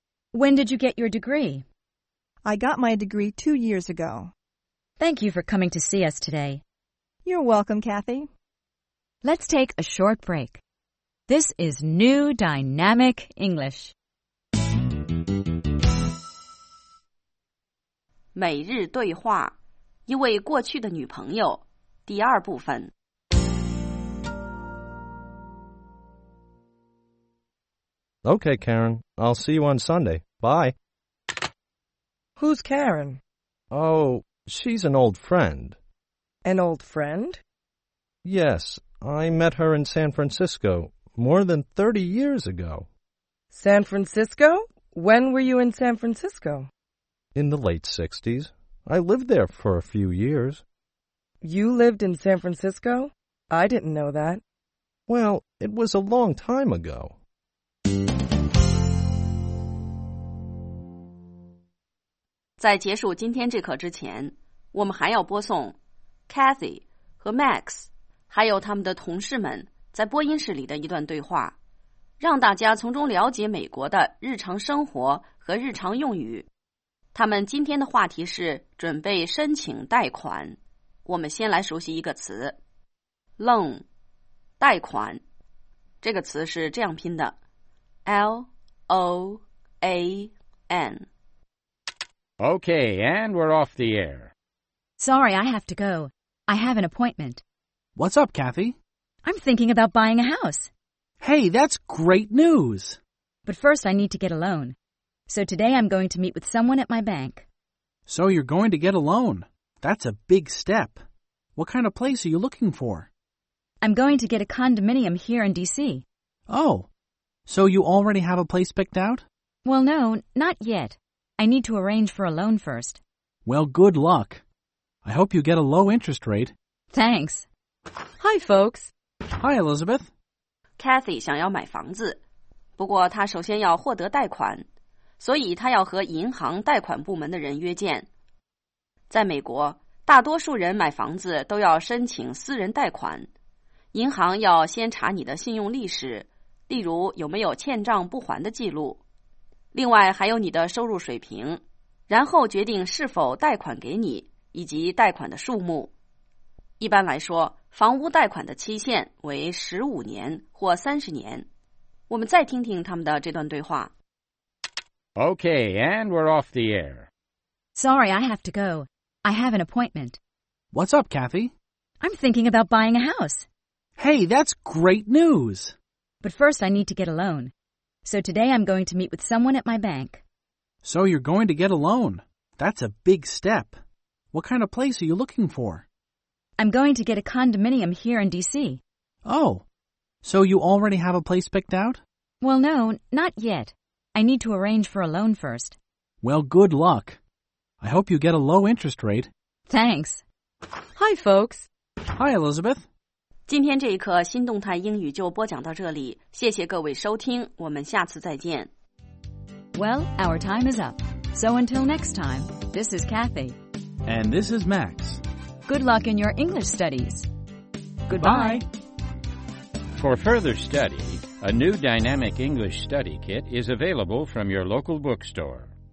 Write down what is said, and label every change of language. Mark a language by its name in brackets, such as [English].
[English] When did you get your degree? I got my degree 2 years ago. Thank you for coming to see us today. You're welcome, Kathy. Let's take a short break. This is New Dynamic English. [Chinese] 每日对话，一位过去的女朋友，第二部分。 [English] Okay, Karen. I'll see you on Sunday. Bye. Who's Karen? Oh, she's an old friend. An old friend? Yes, I met her in San Francisco more than 30 years ago. San Francisco? When were you in San Francisco? In the late 60s. I lived there for a few years. You lived in San Francisco? I didn't know that. Well, it was a long time ago. [Chinese] 在结束今天这课之前，我们还要播送 Cathy 和 Max 还有他们的同事们在播音室里的一段对话，让大家从中了解美国的日常生活和日常用语。他们今天的话题是准备申请贷款。我们先来熟悉一个词 Loan 贷款，这个词是这样拼的 L-O-A-N。 [English] Okay, and we're off the air. Sorry, I have to go. I have an appointment. What's up, Kathy? I'm thinking about buying a house. Hey, that's great news. But first, I need to get a loan. So today, I'm going to meet with someone at my bank. So you're going to get a loan. That's a big step. What kind of place are you looking for? I'm going to get a condominium here in D.C. Oh, so you already have a place picked out? Well, no, not yet. I need to arrange for a loan first. Well, good luck. I hope you get a low interest rate. Thanks. Hi, folks. Hi, Elizabeth. [Chinese] Kathy 想要买房子，不过她首先要获得贷款，所以她要和银行贷款部门的人约见。在美国，大多数人买房子都要申请私人贷款。银行要先查你的信用历史，例如有没有欠账不还的记录。另外还有你的收入水平，然后决定是否贷款给你以及贷款的数目。一般来说，房屋贷款的期限为15年或30年。我们再听听他们的这段对话。 [English] Okay, and we're off the air. Sorry, I have to go. I have an appointment. What's up, Kathy? I'm thinking about buying a house. Hey, that's great news. But first, I need to get a loan. So today I'm going to meet with someone at my bank. So you're going to get a loan. That's a big step. What kind of place are you looking for? I'm going to get a condominium here in D.C. Oh, so you already have a place picked out? Well, no, not yet. I need to arrange for a loan first. Well, good luck. I hope you get a low interest rate. Thanks. Hi, folks. Hi, Elizabeth. [Chinese] 今天这一课新动态英语就播讲到这里，谢谢各位收听，我们下次再见。 [English] Well, our time is up. So until next time, this is Kathy. And this is Max. Good luck in your English studies. Goodbye. For further study, a new Dynamic English Study Kit is available from your local bookstore.